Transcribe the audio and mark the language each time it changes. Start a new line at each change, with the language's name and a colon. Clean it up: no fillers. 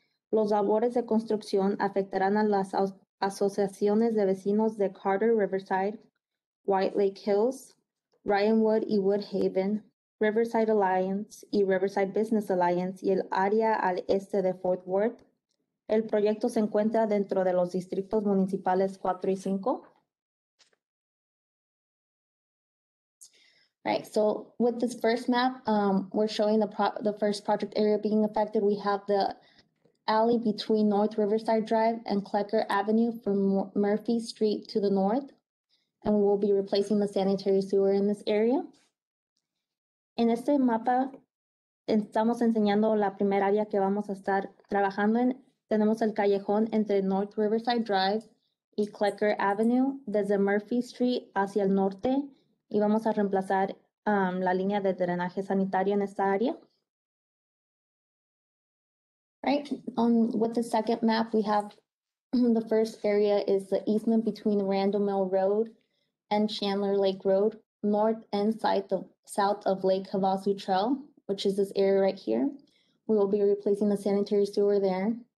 Spanish: Los labores de construcción afectarán a las asociaciones de vecinos de Carter Riverside, White Lake Hills, Ryanwood y Woodhaven, Riverside Alliance y Riverside Business Alliance y el área al este de Fort Worth. El proyecto se encuentra dentro de los distritos municipales 4 y 5.
English: Right, so with this first map, we're showing the first project area being affected. We have the alley between North Riverside Drive and Klecker Avenue from Murphy Street to the north. And we will be replacing the sanitary sewer in this area.
Spanish: En este mapa, estamos enseñando la primera área que vamos a estar trabajando en. Tenemos el callejón entre North Riverside Drive y Klecker Avenue desde Murphy Street hacia el norte. Y vamos a reemplazar la línea de drenaje sanitario en esta área.
English: Right, with the second map, we have the first area is the easement between Randall Mill Road and Chandler Lake Road, north and south of Lake Havasu Trail, which is this area right here. We will be replacing the sanitary sewer there.